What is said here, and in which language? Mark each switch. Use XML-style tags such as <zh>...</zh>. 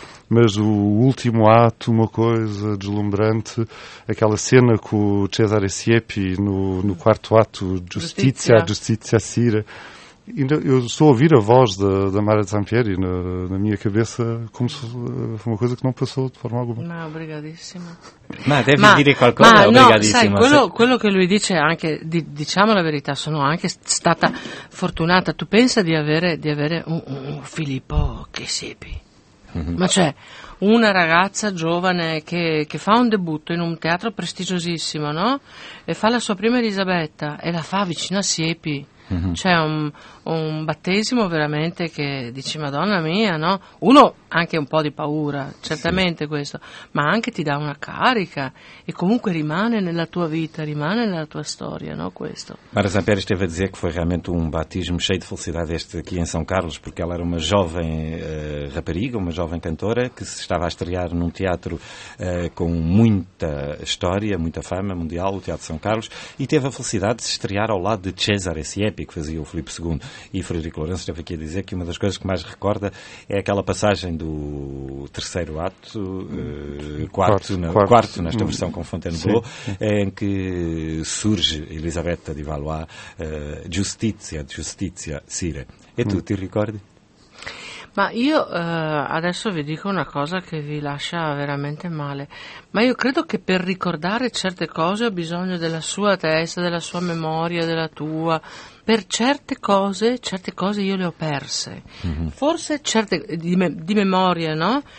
<pt>Mas o último ato, uma coisa deslumbrante, aquela cena com o Cesare Siepi no quarto ato, Giustizia Sira. Eu estou a ouvir a voz da Mara de Zampieri na minha cabeça, como se fosse uma coisa que não passou de forma alguma. Não, obrigadíssima.</pt> <it>Mas deve dire qualcosa, ma,</it> <pt>obrigadíssima.</pt> <it>Sai, quello che lui dice anche, diciamo la verità, sono anche stata fortunata. Tu pensa di avere un Filippo che Siepi. Ma cioè, una ragazza giovane che fa un debutto in un teatro prestigiosissimo, no? E fa la sua prima Elisabetta e la fa vicino a Siepi. C'è un battesimo veramente che dici Madonna mia, no? Uno anche un po' di paura, certamente sì. Questo, ma anche ti dà una carica e comunque rimane nella tua vita, rimane nella tua storia, no? Questo.</it> <pt>Mara Zampieri esteve a dizer que foi realmente</pt> <it>un battesimo</it> <pt>cheio de felicidade este aqui em São Carlos, porque ela era uma jovem rapariga, uma jovem cantora que se estava a estrear num teatro com muita história, muita fama mundial, o Teatro São Carlos, e teve a felicidade de se estrear ao lado de Cesare Siepi, que fazia o Filipe II, e Frederico Lourenço esteve aqui a dizer que uma das coisas que mais recorda é aquela passagem do terceiro ato, quarto nesta versão com Fontainebleau, em que surge Elisabetta di Valois, Giustizia, Sire.</pt> <it>E tu ti ricordi? Ma io adesso vi dico una cosa che vi lascia veramente male, ma io credo che per ricordare certe cose ho bisogno della sua testa, della sua memoria, della tua. Per certe cose io le ho perse, forse certe di memoria, no?</it>